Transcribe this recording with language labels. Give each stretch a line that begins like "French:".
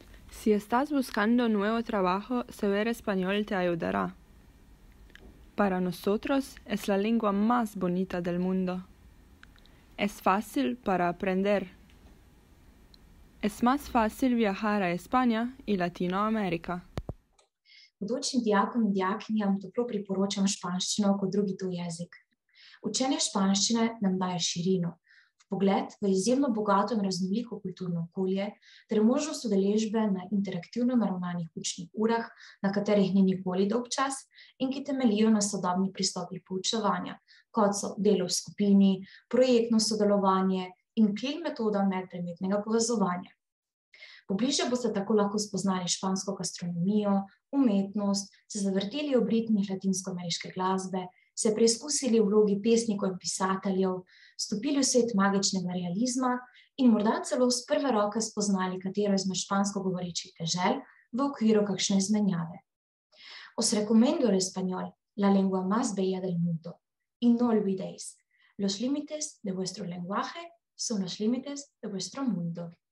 Spanish: Si estás buscando un nuevo trabajo, saber español te ayudará. Para nosotros, es la lengua más bonita del mundo. Es fácil para aprender. Es más fácil viajar a España y Latinoamérica.
Slovenian: Bodočim dijakom in dijakinjam toplo priporočam španščino kot drugi tuji jezik. Učenje španščine nam daje širino, vpogled v izjemno bogato in raznoliko kulturno okolje, ter možnost udeležbe na interaktivno naravnanih učnih urah, na katerih ni nikoli dolgčas in ki temeljijo na sodobni pristopi poučevanja, kot so delo v skupini, projektno sodelovanje in klin metoda medpredmetnega povezovanja. Pobliže boste tako lahko spoznali špansko gastronomijo, umetnost, se zavrteli ob ritmih latinsko-ameriške glasbe, se preizkusili v vlogi pesnikov in pisateljev, stopili v svet magičnega realizma in morda celo s prve roke spoznali katero izmed špansko govorečih dežel v okviru kakšne izmenjave.
Spanish: Os recomiendo el español, la lengua más bella del mundo. Y no olvidéis, los límites de vuestro lenguaje son los límites de vuestro mundo.